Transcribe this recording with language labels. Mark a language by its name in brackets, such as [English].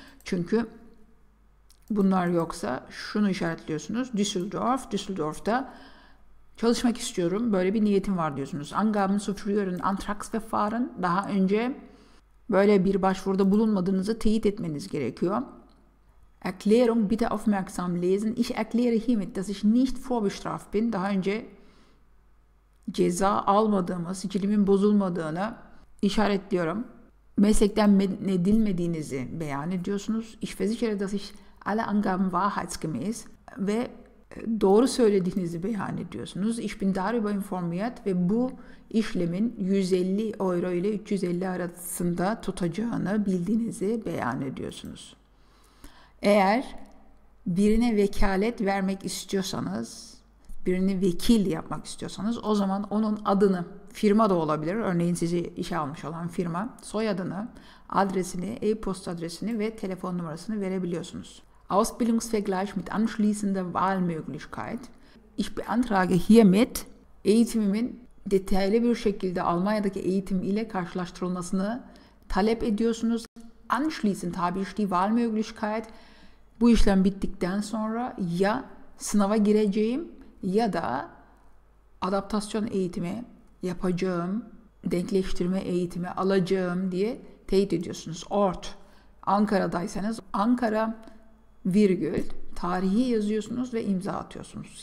[Turkish] Çünkü bunlar yoksa şunu işaretliyorsunuz. Düsseldorf, Düsseldorf'ta çalışmak istiyorum. Böyle bir niyetim var diyorsunuz. [German] Angaben zu früheren Antragsverfahren, [Turkish] daha önce böyle bir başvuruda bulunmadığınızı teyit etmeniz gerekiyor. [German] Erklärung bitte aufmerksam lesen. Ich erkläre hiermit, dass ich nicht vorbestraft bin. [Turkish] Daha önce ceza almadığımı, sicilimin bozulmadığını işaretliyorum. Meslekten men edilmediğinizi beyan ediyorsunuz. [German] Ich versichere, dass ich alle Angaben wahrheitsgemäß [Turkish] ve doğru söylediğinizi beyan ediyorsunuz. [German] Ich bin darüber informiert [Turkish] ve bu işlemin 150 euro ile 350 arasında tutacağını bildiğinizi beyan ediyorsunuz. Eğer Birine vekalet vermek istiyorsanız, birini vekil yapmak istiyorsanız, o zaman onun adını, firma da olabilir, örneğin sizi işe almış olan firma, soyadını, adresini, e-posta adresini ve telefon numarasını verebiliyorsunuz. [German] Ausbildungsvergleich mit anschließender Wahlmöglichkeit. Ich beantrage hiermit [Turkish] eğitimimin detaylı bir şekilde Almanya'daki eğitim ile karşılaştırılmasını talep ediyorsunuz. [German] Anschließend habe ich die Wahlmöglichkeit. [Turkish] Bu işlem bittikten sonra ya sınava gireceğim ya da adaptasyon eğitimi yapacağım, denkleştirme eğitimi alacağım diye teyit ediyorsunuz. Ort, Ankara'daysanız Ankara virgül tarihi yazıyorsunuz ve imza atıyorsunuz.